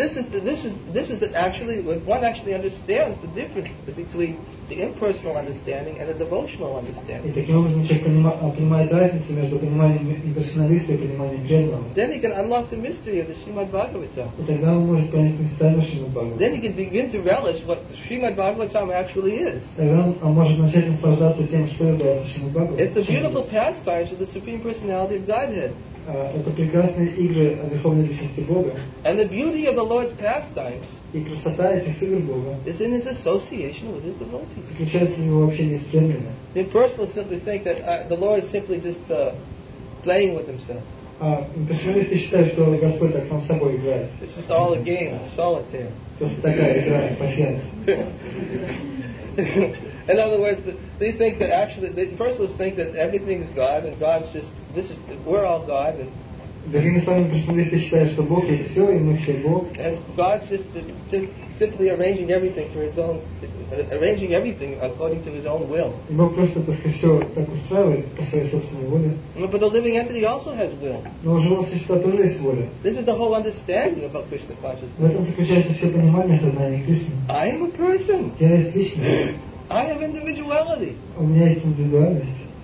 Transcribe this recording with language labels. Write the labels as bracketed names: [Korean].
[English] This is actually when one actually understands the difference between the impersonal understanding and the devotional understanding. [Russian] И таким образом человек понимает разницу между пониманием имперсоналиста и пониманием преданного. [English] Then he can unlock the mystery of the Srimad Bhagavatam. [Russian] И тогда он может понять мистерию Шримад Бхагаватам. [English] Then he can begin to relish what Srimad Bhagavatam actually is. [Russian] Тогда он может начать наслаждаться тем, что является Шримад Бхагаватам. [English] It's the beautiful pastimes of the Supreme Personality of Godhead. [Russian] Это прекрасные игры Верховной Личности Бога. [English] And the beauty of the Lord's pastimes [Russian] и красота этих игр Бога [English] is in his association with his devotees. [Russian] Заключается в его общении с преданными. [English] The impersonalists simply think that the Lord is simply just playing with himself. [Russian] Имперсоналисты считают, что Господь так сам с собой играет. [English] It's just all a game, a solitaire. [Russian] Просто такая игра, пасьянс. [English] In other words, they think that actually the impersonalists think that everything is God and God's just this is we're all God and. [Russian] Другими словами, имперсоналисты считают, что Бог есть все и мы все Бог. [English] And God's just simply arranging everything for His own, arranging everything according to His own will. [Russian] И Бог просто так все так устраивает по своей собственной воле. [English] But the living entity also has will. [Russian] Но живое существо тоже есть воля. [English] This is the whole understanding about Krishna consciousness. [Russian] В этом заключается все понимание сознания Кришны. [English] I am a person. [Russian] Я есть Кришна. [English] I have individuality. [Russian] У меня есть индивидуальность.